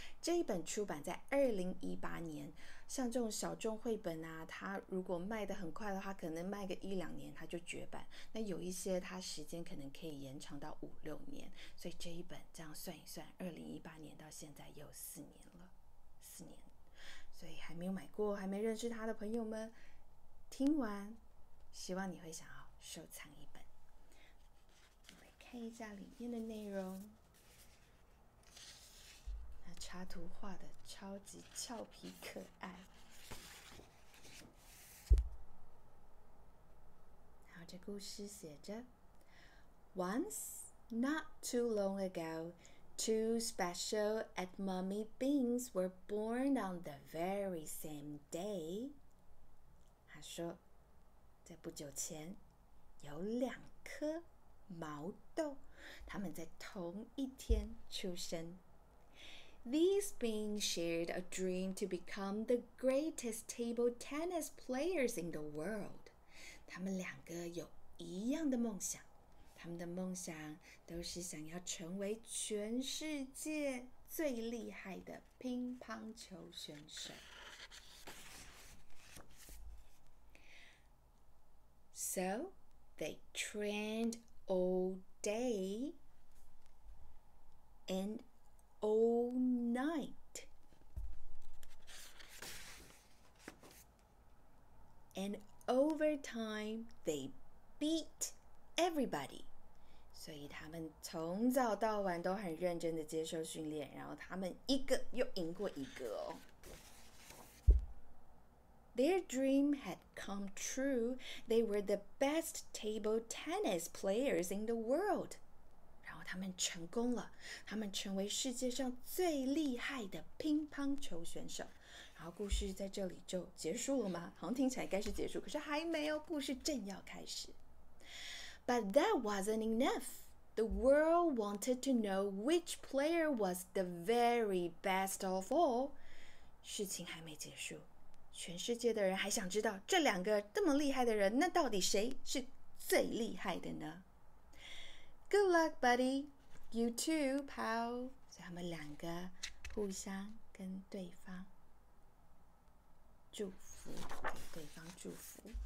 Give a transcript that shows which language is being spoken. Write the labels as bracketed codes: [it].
[zh] 这一本出版在2018年，像这种小众绘本啊，它如果卖得很快的话，可能卖个一两年它就绝版，那有一些它时间可能可以延长到5-6年，所以这一本这样算一算，2018年到现在有四年，所以还没有买过还没认识它的朋友们，听完希望你会想要收藏一本。看一下里面的内容，那插图画的超级俏皮可爱。好，这故事写着 [en] ：Once, not too long ago, two special edamame beans were born on the very same day. [zh] 他说，在不久前，有两颗。毛豆，他们在同一天出生。 [en] These beings shared a dream to become the greatest table tennis players in the world. [zh] 他们两个有一样的梦想，他们的梦想都是想要成为全世界最厉害的乒乓球选手。 [en] So, they trained. All day and all night and over time they beat everybody. [zh] 所以他们从早到晚都很认真地接受训练，然后他们一个又赢过一个哦。 [en] Their dream had come true. They were the best table tennis players in the world. [zh] 然后他们成功了，他们成为世界上最厉害的乒乓球选手。然后故事在这里就结束了吗？好像听起来该是结束，可是还没有，故事正要开始。 [en] But that wasn't enough. The world wanted to know which player was the very best of all. [zh] 事情还没结束。全世界的人还想知道这两个这么厉害的人，那到底谁是最厉害的呢？ [en] Good luck, buddy. You too, pal. [zh] 所以他们两个互相跟对方祝福，给对方祝福。